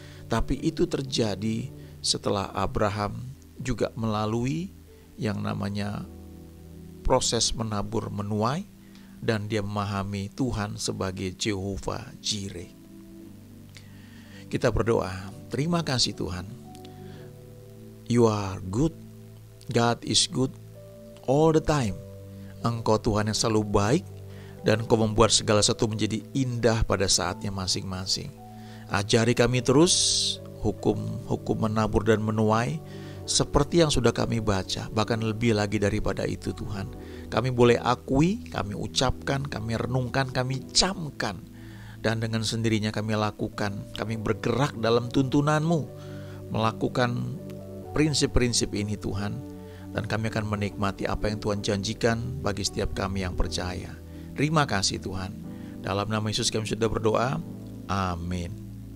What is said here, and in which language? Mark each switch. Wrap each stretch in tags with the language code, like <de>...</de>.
<id>Tapi itu terjadi setelah Abraham juga melalui yang namanya proses menabur menuai, dan dia memahami Tuhan sebagai Jehova Jireh. Kita berdoa, terima kasih Tuhan.</id> <en>You are good, God is good all the time.</en> <id>Engkau Tuhan yang selalu baik, dan Engkau membuat segala sesuatu menjadi indah pada saatnya masing-masing. Ajari kami terus hukum-hukum menabur dan menuai seperti yang sudah kami baca, bahkan lebih lagi daripada itu Tuhan. Kami boleh akui, kami ucapkan, kami renungkan, kami camkan, dan dengan sendirinya kami lakukan, kami bergerak dalam tuntunan-Mu melakukan prinsip-prinsip ini Tuhan, dan kami akan menikmati apa yang Tuhan janjikan bagi setiap kami yang percaya. Terima kasih Tuhan. Dalam nama Yesus kami sudah berdoa. Amin.</id>